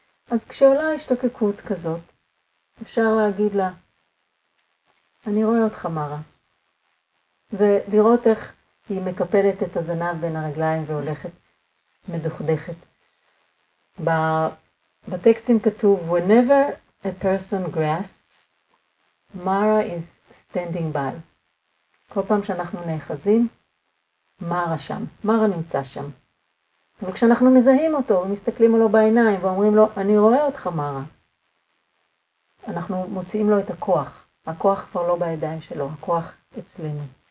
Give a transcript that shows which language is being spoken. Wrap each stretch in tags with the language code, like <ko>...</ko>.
<he>אז כשעולה השתוקקות כזאת, אפשר להגיד לה, אני רואה אותך מרה. ולראות איך היא מקפלת את הזנב בין הרגליים והולכת מדוכדכת. בטקסטים כתוב,</he> <en>whenever a person grasps, Mara is standing by.</en> <he>כל פעם שאנחנו נאחזים, מרה שם, מרה נמצא שם. וכשאנחנו מזהים אותו ומסתכלים לו בעיניים ואומרים לו, אני רואה אותך מרה, אנחנו מוציאים לו את הכוח. הכוח כבר לא בידיים שלו, הכוח אצלנו.</he>